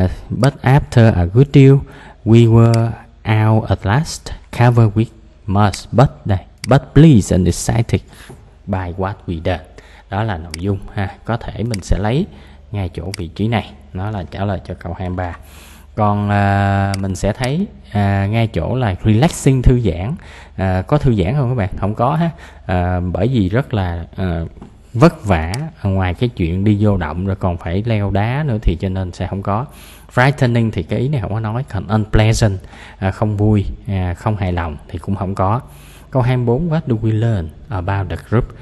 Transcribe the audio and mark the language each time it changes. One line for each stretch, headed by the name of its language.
English: But after a good deal, we were out at last, covered with mud, but đây, but pleased and excited by what we did.
Vietnamese: Đó là nội dung ha. Có thể mình sẽ lấy ngay chỗ vị trí này, nó là trả lời cho câu 23. Còn mình sẽ thấy ngay chỗ là relaxing, thư giãn. Có thư giãn không các bạn? Không có ha. Bởi vì rất là vất vả, ngoài cái chuyện đi vô động rồi còn phải leo đá nữa thì cho nên sẽ không có. Frightening thì cái ý này không có nói, còn unpleasant, không vui, không hài lòng thì cũng không có. Câu 24,
English: what do we learn about the group?